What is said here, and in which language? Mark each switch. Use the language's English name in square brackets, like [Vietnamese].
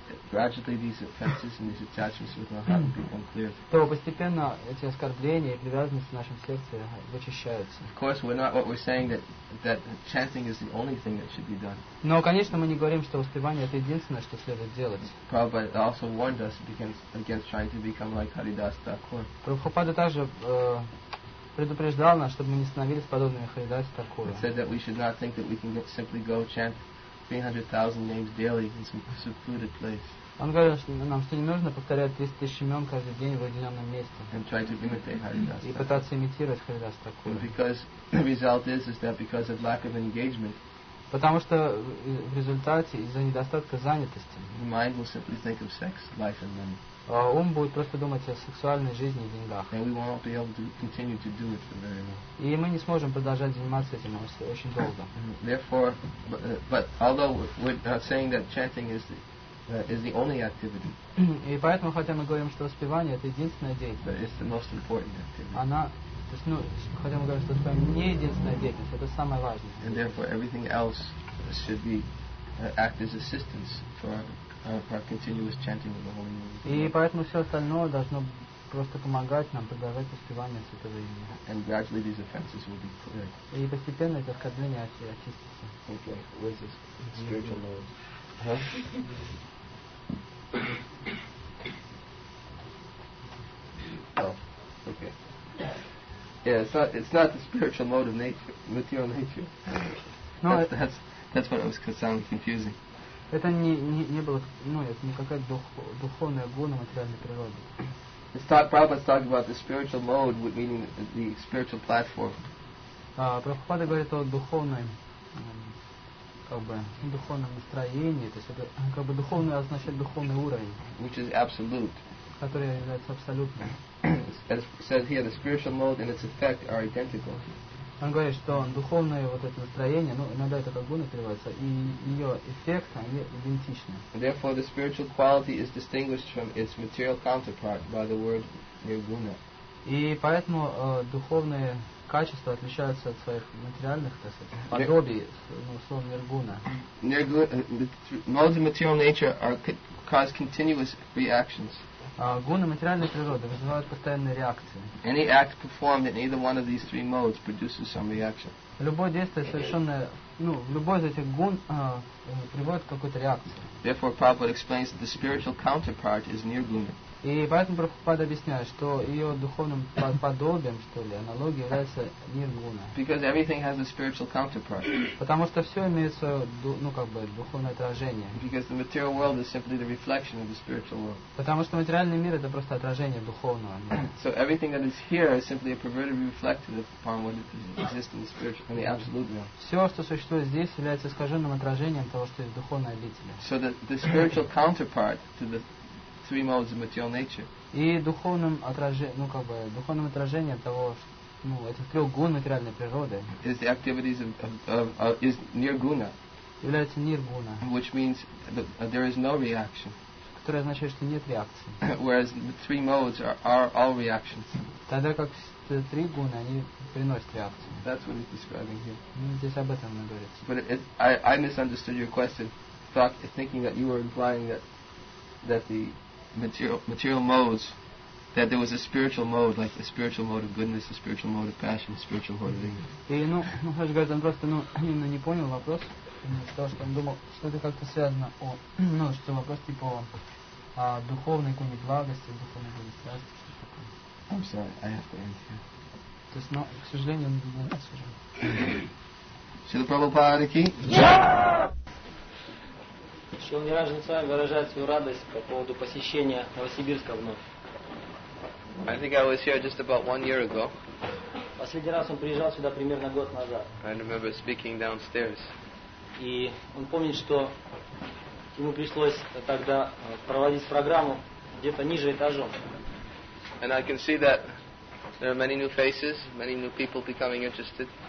[English] gradually these offenses and these attachments with our heart become clear. [Russian] То постепенно эти оскорбления и привязанности в нашем сердце вычищаются. [English] Of course, we're saying that chanting is the only thing that should be done. [Russian] Но конечно мы не говорим, что воспевание это единственное, что следует делать. [English] Prabhupada also warned us against trying to become like Haridas Thakur. [Russian] Прабхупада также предупреждал нас, чтобы мы не становились подобными Харидас Такур. [English] He said that we should not think that we can simply go chant 300,000 names daily in some secluded place. [Russian] Он говорил, что нам что не нужно повторять 300,000 имен каждый день в уединенном месте. [English] And try to imitate Haridas. [Russian] И пытаться имитировать Харидас Такур. [English] Because the result is that because of lack of engagement. [Russian] Потому что в результате из-за недостатка занятости. [English] The mind will simply think of sex, life, and money. [Russian] Ум будет просто думать о сексуальной жизни и деньгах. [English] And we won't be able to continue to do it for very long. [Russian] И мы не сможем продолжать заниматься этим очень долго. [English] Therefore, but although we're saying that chanting is the only activity. [Russian] И поэтому хотя мы говорим, что воспевание это единственная деятельность. [English] But it's the most important activity. [Russian] Она, то есть, ну, хотя мы говорим, что воспевание не единственная деятельность, это самое важное. [English] And therefore, everything else should be act as assistance for. Our continuous chanting of the Holy Name. [Russian] И поэтому все остальное должно просто помогать нам продолжать воспевание Святого Имени. [English] And gradually these offenses will be cleared. [Russian] И постепенно это оскорбление очистится. [English] Okay, where's this spiritual mode? Huh? Oh, okay. Yeah, it's not the spiritual mode of nature, material nature. No, that's what it was sounding confusing. [Russian] Это не было, ну, это не какая-то духовная гуна материальной природы. [English] Prabhupada's talking about the spiritual mode, meaning the spiritual platform. [Russian] Прабхупада говорит о духовной, как бы, духовном настроении, то есть это как бы духовное означает духовный уровень. [English] Which is absolute. [Russian] Который является абсолютным. [English] As says here, the spiritual mode and its effect are identical. [Russian] Он говорит, что духовное вот это настроение, ну иногда это как гуна переводится, и ее эффект, они идентичны. [English] Therefore, the spiritual quality is distinguished from its material counterpart by the word nirguna. [Russian] И поэтому духовные качества отличаются от своих материальных, так сказать, подобий, ну, словом nirguna. [English] Modes of material nature cause continuous reactions. [Russian] Гуны материальной природы вызывают постоянные реакции. [English] Any act performed in either one of these three modes produces some reaction. [Russian] Любое действие совершенное, ну, любой из этих гун приводит к какой-то реакции. [English] Therefore, Prabhupada explains that the spiritual counterpart is nirguna. [Russian] И поэтому Прабхупада объясняет, что ее духовным подобием, что ли, аналогией является nirguna. [English] Because everything has a spiritual counterpart. [Russian] Потому что все имеет свое, ну, как бы, духовное отражение. [English] Because the material world is simply the reflection of the spiritual world. [Russian] Потому что материальный мир это просто отражение духовного мира. [English] So everything that is here is simply a perverted reflective upon what exists in the spiritual, in the absolute realm. [Russian] Все, что существует здесь, является искаженным отражением того, что есть в духовной обители. [English] So the spiritual counterpart to the three modes of material nature. [Russian] И духовным отражением, ну как бы, духовным отражением того, ну, этих трех гун материальной природы. [English] Is the activities of is nirguna. [Russian] Является nirguna. [English] Which means there is no reaction. [Russian] Которое означает, что нет реакции. [English] Whereas the three modes are all reactions. [Russian] Тогда как три гуны, они приносят реакцию. [English] That's what he's describing here. [Russian] Здесь об этом он говорит. [English] But I misunderstood your question, thinking that you were implying that the material modes, that there was a spiritual mode, like a spiritual mode of goodness, a spiritual mode of passion, a spiritual mode of anger. [Russian] И, ну, Хаш говорит, он просто, ну, именно не понял вопрос, потому что он думал, что это как-то связано, ну, что вопрос типа о духовной гуне благости, духовной гуне страсти, что-то такое. [English] I'm sorry, I have to end here. [Russian] То есть, ну, к сожалению, он не нас уже. Шрила Прабхупада ки? Шрила Ниранджан с вами выражает свою радость по поводу посещения Новосибирска вновь. [English] I think I was here just about one year ago. [Russian] Последний раз он приезжал сюда примерно год назад. [English] I remember speaking downstairs. [Russian] И он помнит, что ему пришлось тогда проводить программу где-то ниже этажом. [English] And I can see that there are many new faces, many new people becoming interested.